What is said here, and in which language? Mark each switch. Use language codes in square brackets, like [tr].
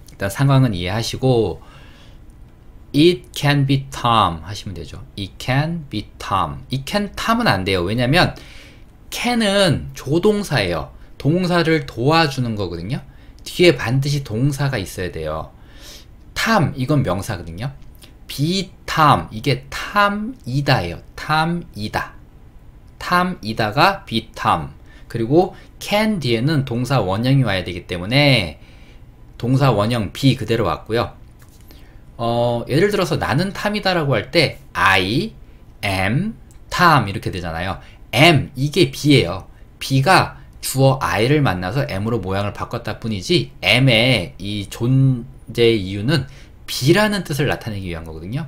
[ko] 일단 상황은 이해하시고 [en] It can be Tom [ko] 하시면 되죠. [en] It can be Tom. It can [ko] Tom은 안 돼요. 왜냐면 can은 조동사예요. 동사를 도와주는 거거든요. 뒤에 반드시 동사가 있어야 돼요. Tom 이건 명사거든요. [en] Be Tom [ko] 이게 Tom이다예요. Tom이다. Tom이다가 [en] be Tom. [ko] 그리고 can 뒤에는 동사 원형이 와야 되기 때문에 동사 원형 be 그대로 왔고요. 예를 들어서 나는 탐이다 라고 할 때 [en] I am Tom [ko] 이렇게 되잖아요. am 이게 be예요. be가 주어 I를 만나서 am으로 모양을 바꿨다 뿐이지 am의 이 존재의 이유는 be라는 뜻을 나타내기 위한 거거든요.